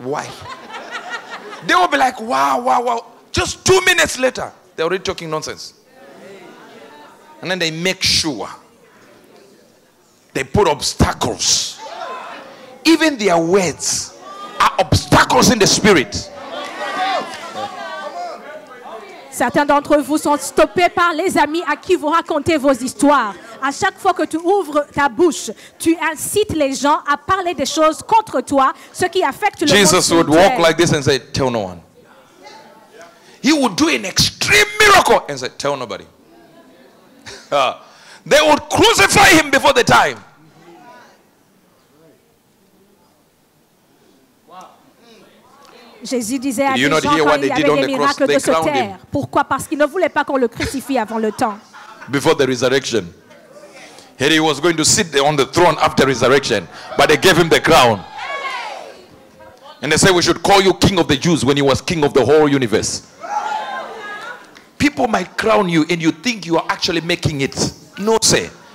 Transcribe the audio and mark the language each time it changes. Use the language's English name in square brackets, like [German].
[English] Why? They will be like, wow. Just 2 minutes later, they're already talking nonsense. And then they make sure. They put obstacles. Even their words are obstacles in the spirit. [French] Certains d'entre vous sont stoppés par les amis à qui vous racontez vos histoires. À chaque fois que tu ouvres ta bouche, tu incites les gens à parler des choses contre toi, ce qui affecte le [English] Jesus would walk like this and say, tell no one. He would do an extreme miracle and say, tell nobody. They would crucify him before the time. [French] Jésus disait à des gens quand il y avait des miracles de se taire. Pourquoi? Parce qu'il ne voulait pas qu'on le crucifie avant le temps. [English] Before the resurrection. He was going to sit on the throne after resurrection. But they gave him the crown. And they said, we should call you king of the Jews when he was king of the whole universe. People might crown you and you think you are actually making it. No, sir.